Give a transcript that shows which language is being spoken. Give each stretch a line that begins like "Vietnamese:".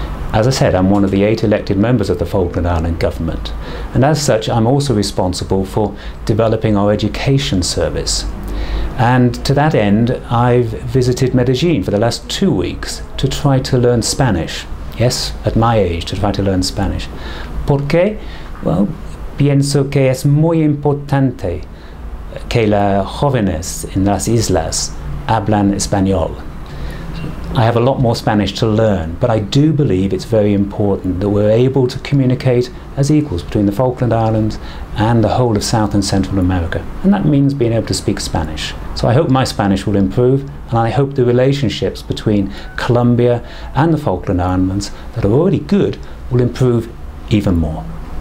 English: As I said, I'm one of the 8 elected members of the Falkland Island government. And as such, I'm also responsible for developing our education service. And to that end, I've visited Medellín for the last 2 weeks to try to learn Spanish. Yes, at my age, to try to learn Spanish.
Spanish: ¿Por qué? Well, pienso que es muy importante que las jóvenes en las islas hablan español.
English: I have a lot more Spanish to learn, but I do believe it's very important that we're able to communicate as equals between the Falkland Islands and the whole of South and Central America. And that means being able to speak Spanish. So I hope my Spanish will improve, and I hope the relationships between Colombia and the Falkland Islands that are already good will improve even more.